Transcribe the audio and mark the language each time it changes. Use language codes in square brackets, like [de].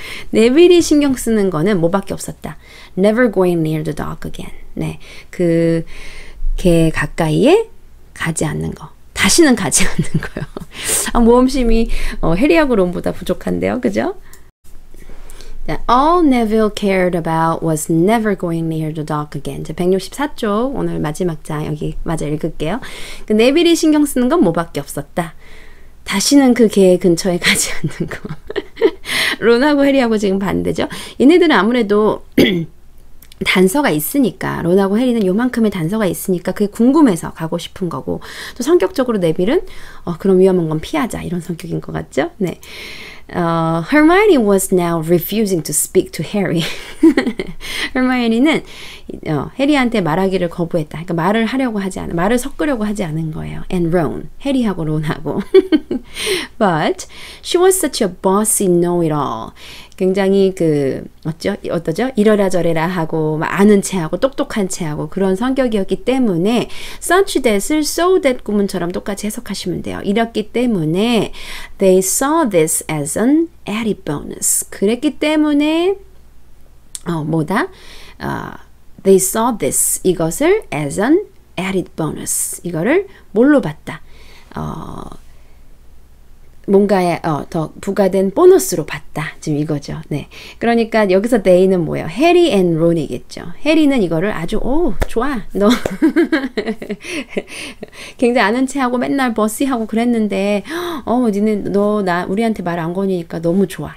[ko] 네빌이 신경 쓰는 거는 뭐밖에 없었다. [en] Never going near the dog again. [ko] 네, 그 개 가까이에 가지 않는 거. 다시는 가지 않는 거요. 아, 모험심이 해리하고 롬보다 부족한데요. 그죠? [en] All Neville cared about was never going near the dog again. [ko] 자, 164쪽 오늘 마지막 장 여기 마저 읽을게요. 그 네빌이 신경 쓰는 건 뭐밖에 없었다. 다시는 그 개의 근처에 가지 않는 거. 론하고 해리하고 지금 반대죠. 얘네들은 아무래도 단서가 있으니까 론하고 해리는 요만큼의 단서가 있으니까 그게 궁금해서 가고 싶은 거고 또 성격적으로 네빌은 그럼 위험한 건 피하자 이런 성격인 것 같죠. [en] 네. Hermione was now refusing to speak to Harry. [ko] Hermione는 해리한테 말하기를 거부했다. 그러니까 말을 하려고 하지 않은, 말을 섞으려고 하지 않은 거예요. [en] And Ron, [ko] 해리하고 론하고. [en] But she was such a bossy know-it-all. [ko] 굉장히 그 어떠죠? 이러라 저래라 하고 막 아는 체하고 똑똑한 체하고 그런 성격이었기 때문에 such that을 so that 구문처럼 똑같이 해석하시면 돼요. 이랬기 때문에 [en] they saw this as an added bonus. [ko] 그랬기 때문에 뭐다? [en] They saw this [ko] 이것을 [en] as an added bonus. [ko] 이거를 뭘로 봤다? 뭔가에 더 부과된 보너스로 봤다. 지금 이거죠. 네. 그러니까 여기서 they는 뭐예요? 해리 앤 론이겠죠. 해리는 이거를 아주 오 좋아. 너 굉장히 아는 체하고 맨날 버시하고 그랬는데 니네 너 나 우리한테 말 안 거니까 너무 좋아.